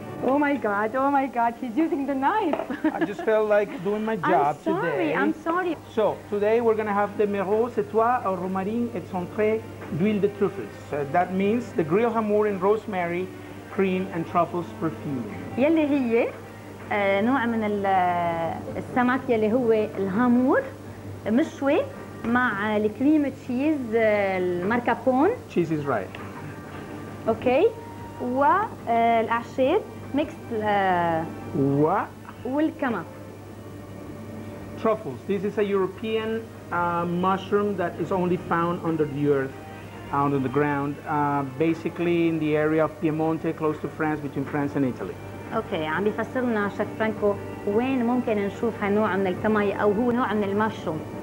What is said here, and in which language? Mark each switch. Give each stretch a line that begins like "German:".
English: Oh my God, oh my God, he's using the knife. I just felt like doing my job today. I'm sorry. So, today we're going to have the merros et toi au romarin et centré d'huile de truffes. That means the grilled hamur and rosemary, cream and truffles perfume.
Arabic: يلي هي نوع من السمك يلي هو الهامور مشوي مع الكريم تشيز الماركابون.
English: Cheese is right.
Arabic: اوكي. والاعشاب ميكس و والكمك.
English: Truffles. This is a European mushroom that is only found under the earth, out on the ground, basically in the area of Piemonte, close to France, between France and Italy.
Arabic: اوكي، عم بفسر لنا شيف فرانكو وين ممكن نشوف هالنوع من الكمك او هو نوع من المشروم.